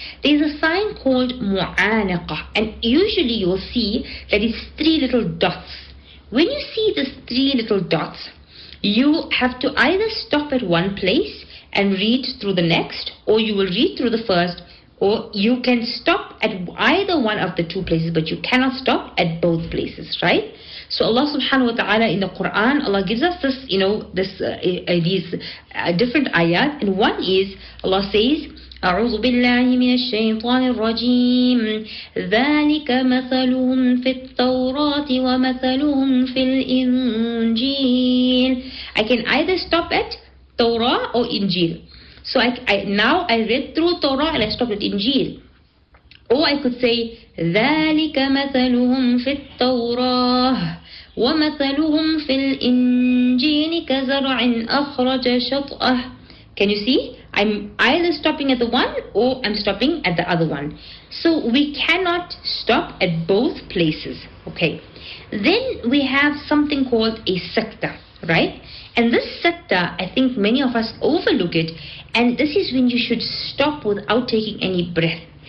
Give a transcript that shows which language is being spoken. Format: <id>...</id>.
<en>There's a sign called Mu'anaqah, and usually you'll see that it's three little dots. When you see these three little dots, you have to either stop at one place and read through the next, or you will read through the first, or you can stop at either one of the two places, but you cannot stop at both places, right? So Allah subhanahu wa ta'ala in the Quran, Allah gives us this, you know, this these different ayat, and one is, Allah says,</en> <ar>أعوذ بالله من الشيطان الرجيم ذلك مثلهم في التوراة ومثلهم في الإنجيل.</ar> <en>I can either stop at Torah or Injil. So I read through Torah and I stopped at Injil. Or I could say</en> <ar>ذلك مثلهم في التوراة ومثلهم في الإنجيل كزرع أخرج شطأه.</ar> <en>Can you see? I'm either stopping at the one or I'm stopping at the other one. So we cannot stop at both places. Okay. Then we have something called a sakta, right? And this sakta, I think many of us overlook it. And this is when you should stop without taking any breath.</en>